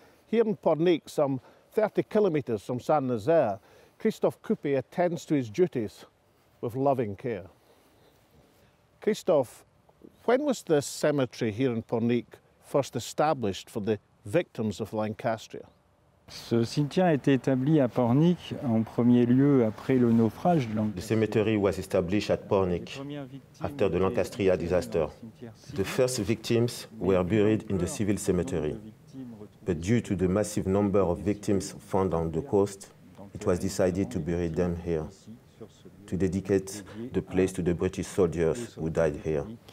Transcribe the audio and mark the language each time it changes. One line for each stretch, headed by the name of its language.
English: Here in Pornic, some 30 kilometres from Saint-Nazaire, Christophe Coupe attends to his duties with loving care. Christophe, when was this cemetery here in Pornic first established for the victims of Lancastria?
French: Ce cimetière a été établi à Pornic en premier lieu après le naufrage.
English: The cemetery was established at Pornic after the Lancastria disaster. The first victims were buried in the civil cemetery. But due to the massive number of victims found on the coast, it was decided to bury them here, to dedicate the place to the British soldiers who died here.